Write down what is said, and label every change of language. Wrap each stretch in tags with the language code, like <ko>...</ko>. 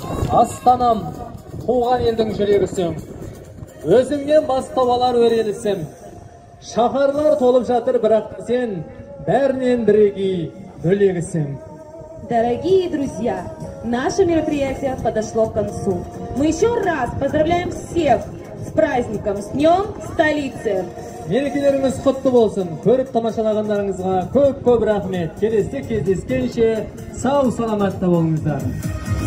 <kk>Астанам, туған елдің жүрегісің, өзіңнен бастау алар өрелісің. Шаһарлар толып жатыр, бірақ сен бәрінен бірегей бөлегісің.</kk> <ru>Дорогие друзья, наше мероприятие подошло к концу. Мы еще раз поздравляем всех с праздником, с днем столицы.</ru> <kk>Мерекелеріңіз құтты болсын. Көріп тамашалағандарыңызға көп-көп рахмет. Келесі кездескенше, сау-саламатта болыңыздар.</kk>